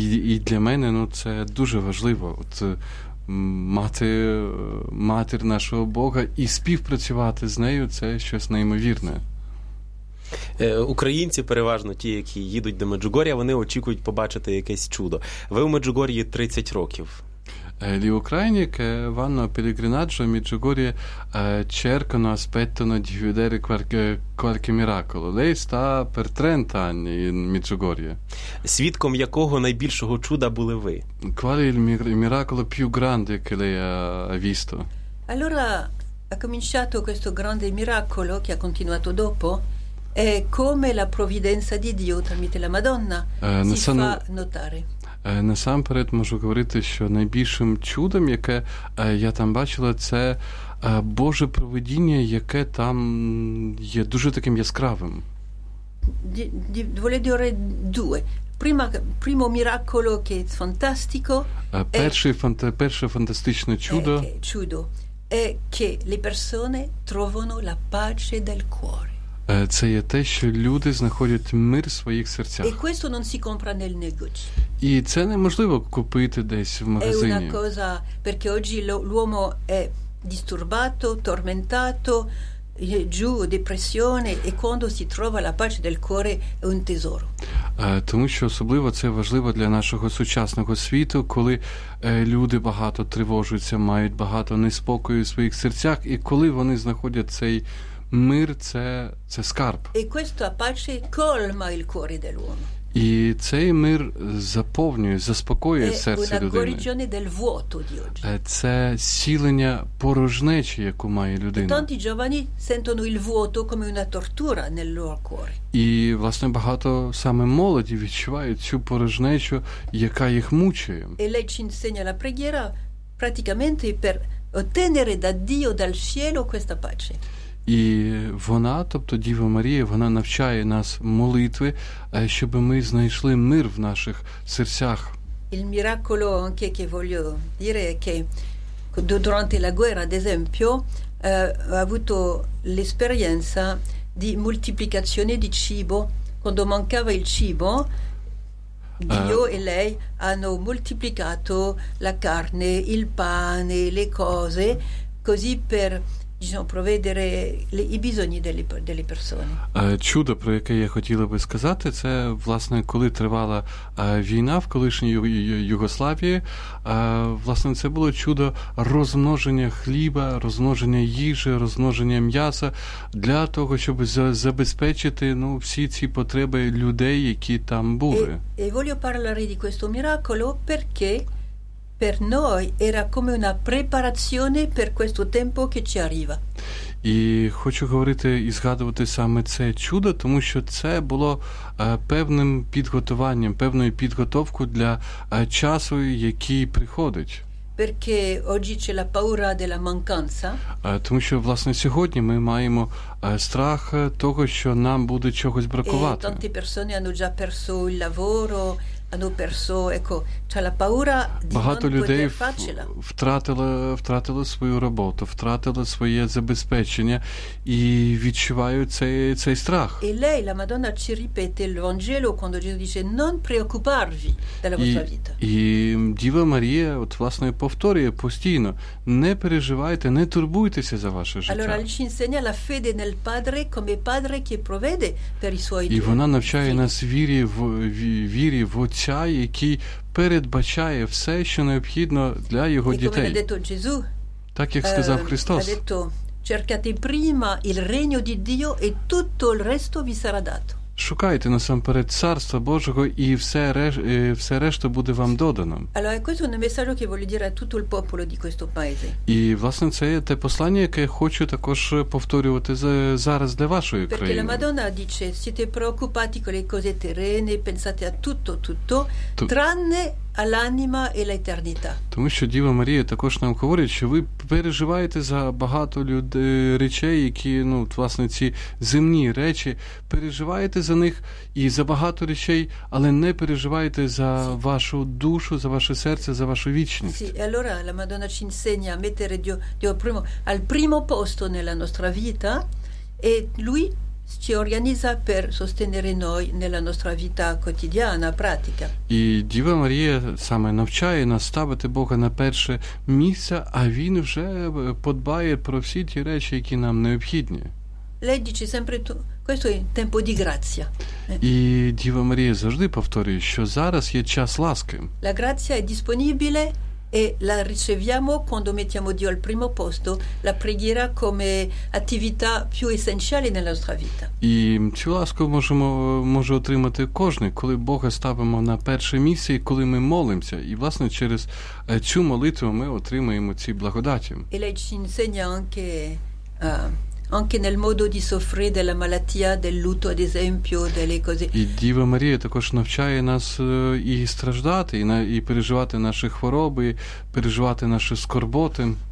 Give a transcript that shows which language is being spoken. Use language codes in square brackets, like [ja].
[uk] І для мене, ну, це дуже важливо, от мати матір нашого Бога і співпрацювати з нею, це щось неймовірне. Українці, переважно ті, які їдуть до Меджугор'я, вони очікують побачити якесь чудо. Ви у Меджугор'ї 30 років. [it] Gli ucraini che vanno a pellegrinaggio a Medjugorje cercano, aspettano di vedere qualche miracolo. Lei sta per 30 anni in Medjugorje. [uk] Свідком якого найбільшого чуда були ви? [it] Qual è il miracolo più grande che lei ha visto? Allora ha cominciato questo grande miracolo che ha continuato dopo. È come la provvidenza di Dio tramite la Madonna fa notare. [uk] Насамперед можу говорити, що найбільшим чудом, яке я там бачила, це Боже провидіння, яке там є дуже таким яскравим. [it] Voglio dire due. Primo miracolo che è fantastico. [uk] Перше фантастичне чудо. Чудо [it] è che le persone trovano la pace del cuore. [uk] Це є те, що люди знаходять мир в своїх серцях. [it] E questo non si compra nel negozio. [uk] І це неможливо купити десь в магазині. [it] È una cosa perché oggi l'uomo è disturbato, tormentato, giù depressione e quando si trova la pace del cuore è un tesoro. [uk] Тому що особливо це важливо для нашого сучасного світу, коли люди багато тривожаться, мають багато неспокою в своїх серцях і коли вони знаходять цей мир – це скарб. [it] E questa pace colma il cuore dell'uomo. [uk] І цей мир заповнює, заспокоює серце людини. [it] È una guarigione del vuoto di oggi. [uk] Це сілення порожнечі, яку має людина. [it] E tanti giovani sentono il vuoto come una tortura nel loro cuore. [uk] І, власне, багато саме молоді відчувають цю порожнечу, яка їх мучує. [it] E lei ci insegna la preghiera praticamente per ottenere da Dio, dal cielo, questa pace. [uk] І вона, тобто Діва Марія, вона навчає нас молитви, щоб ми знайшли мир в наших серцях. [it] Il miracolo anche che voglio dire è che durante la guerra, ad esempio, ho avuto l'esperienza di moltiplicazione di cibo. Quando mancava il cibo, Dio e lei hanno moltiplicato la carne, il pane, le cose, così per provedere i bisogni delle persone. [uk] Чудо, про яке я хотіла би сказати, це, власне, коли тривала війна в колишній Югославії, власне, це було чудо розмноження хліба, розмноження їжі, розмноження м'яса для того, щоб забезпечити, ну, всі ці потреби людей, які там були. [it] E voglio parlare di questo miracolo perché per noi era come una preparazione per questo tempo che ci arriva. [uk] І хочу говорити і згадувати саме це чудо, тому що це було певним підготуванням, певною підготовкою для часу, який приходить. [it] Perché oggi c'è la paura della mancanza. [uk] Тому що, власне, сьогодні ми маємо страх того, що нам буде чогось бракувати. [it] E tante persone hanno già perso il lavoro, hanno perso, ecco, c'è la paura di [uk] багато [it] non [uk] людей [it] poter farcela. [uk] Втратили свою роботу, втратили своє забезпечення і відчувають цей страх. [it] E lei, la Madonna, ci ripete il Vangelo quando Gesù dice non preoccuparvi della vostra vita. [uk] І Діва Марія, от, власне, повторює постійно: не переживайте, не турбуйтеся за ваше життя. [it] Allora, lei ci insegna la fede nel Padre come Padre che provvede per i suoi figli. [uk] І вона навчає нас вірі в Отця, який передбачає все, що необхідно для його дітей. Так, як сказав Христос. [it] Cercate prima il regno di Dio e tutto il resto vi sarà dato. [uk] Шукайте насамперед царства Божого і все решта буде вам додано. [it] Allora, questo è un messaggio che voglio dire a tutto il popolo di questo paese. [uk] І власне це є те послання, яке я хочу також повторювати зараз для вашої країни. [it] Perché la Madonna dice: "Siete preoccupati con le cose terrene, pensate a tutto, tutto, tranne all'anima e l'eternità". [uk] Тому що Діва Марія також нам говорить, що ви переживаєте за багато речей, які, ну, власне, ці земні речі, переживаєте за них і за багато речей, але не переживаєте за вашу душу, за ваше серце, за вашу вічність. [it] Sì, e allora la Madonna ci insegna a mettere Dio, Dio primo, al primo posto nella nostra vita e lui ci organizza per sostenere noi nella nostra vita quotidiana, pratica. [uk] І Діва Марія саме навчає нас ставити Бога на перше місце, а він вже подбає про всі ті речі, які нам необхідні. [it] Lei dice sempre tu, questo è tempo di grazia. [uk] І Діва Марія завжди повторює, що зараз є час ласки. [it] La grazia è disponibile e la riceviamo quando mettiamo Dio al primo posto, la preghiera come attività più essenziale nella nostra vita. [uk] І цю ласку можемо може отримати кожен, коли Бога ставимо на перше місце, і коли ми молимося, і власне через цю молитву ми отримуємо ці благодаті. [it] E lei ci insegna anche anche nel modo di soffrire della malattia, del lutto, ad esempio, delle cose. [uk] І Діва Марія також навчає нас і страждати, і переживати наші хвороби, переживати наші скорботи.